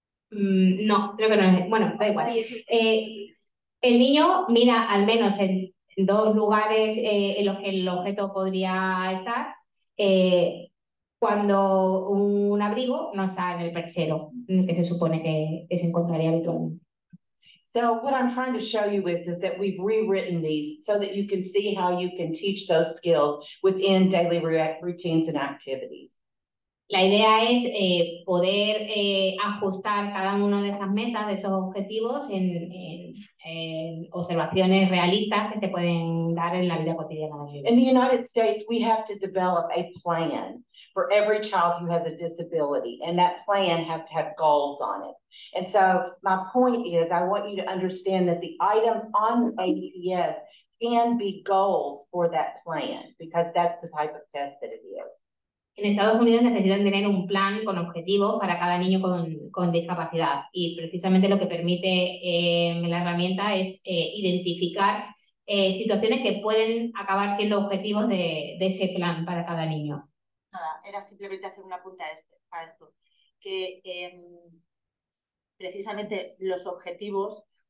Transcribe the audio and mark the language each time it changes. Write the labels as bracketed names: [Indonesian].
[Spanish] No, creo que no es. Bueno, da igual. El niño mira al menos en dos lugares en los que el objeto podría estar cuando un abrigo no está en el perchero que se supone que se encontraría habitualmente. [English] So what I'm trying to show you is that we've rewritten these so that you can see how you can teach those skills within daily routines and activities. [Spanish] La idea es poder ajustar cada una de esas metas, de esos objetivos, en observaciones realistas que se pueden dar en la vida cotidiana. [English] In the United States, we have to develop a plan for every child who has a disability, and that plan has to have goals on it. And so my point is, I want you to understand that the items on APS can be goals for that plan, because that's the type of test that it is. [Spanish] En Estados Unidos necesitan tener un plan con objetivos para cada niño con discapacidad y precisamente lo que permite la herramienta es identificar situaciones que pueden acabar siendo objetivos de ese plan para cada niño. Nada, era simplemente hacer un apunte a esto, que precisamente los objetivos